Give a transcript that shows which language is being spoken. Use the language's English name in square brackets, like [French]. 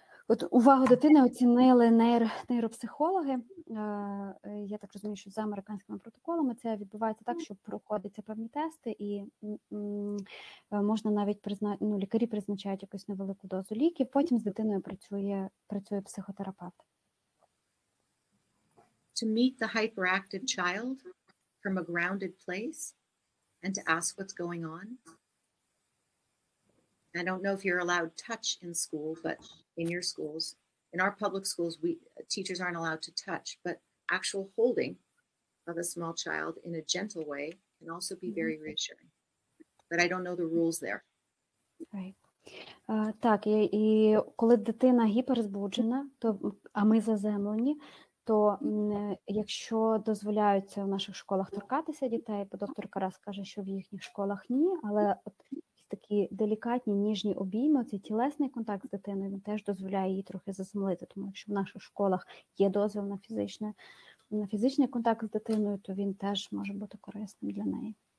[Ukrainian] От увагу дитини оцінили нейропсихологи. Я так розумію, що за американськими протоколами це відбувається так, що проходяться певні тести, і можна навіть лікарі призначають якусь невелику дозу ліків. Потім з дитиною працює психотерапевт. [English] To meet the hyperactive child from a grounded place and to ask what's going on. I don't know if you're allowed touch in school, but in your schools, in our public schools, teachers aren't allowed to touch, but actual holding of a small child in a gentle way can also be very reassuring. But I don't know the rules there. Right. [Ukrainian] Так, і коли дитина гіперзбуджена, то а ми заземлені, то якщо дозволяються в наших школах торкатися дітей, то доктор Карас каже, що в їхніх школах ні, але такі делікатні, ніжні обійми, цей тілесний контакт з дитиною, він теж дозволяє її трохи заземлити, тому що в наших школах є дозвіл на фізичний контакт з дитиною, то він теж може бути корисним для неї.